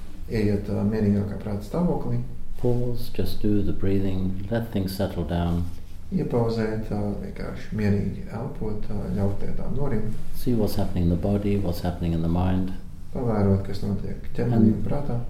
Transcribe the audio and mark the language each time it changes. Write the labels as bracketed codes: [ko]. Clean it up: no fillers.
[lv] Ejiet mierīgākā prāta stāvoklī. [en] Pause, just do the breathing, let things settle down. [lv] Iepauzēt, vienkārši mierīgi elpot, ļautiet tā norim. [en] See what's happening in the body, what's happening in the mind. [lv] Pavērot, kas notiek ķermenī un prātā.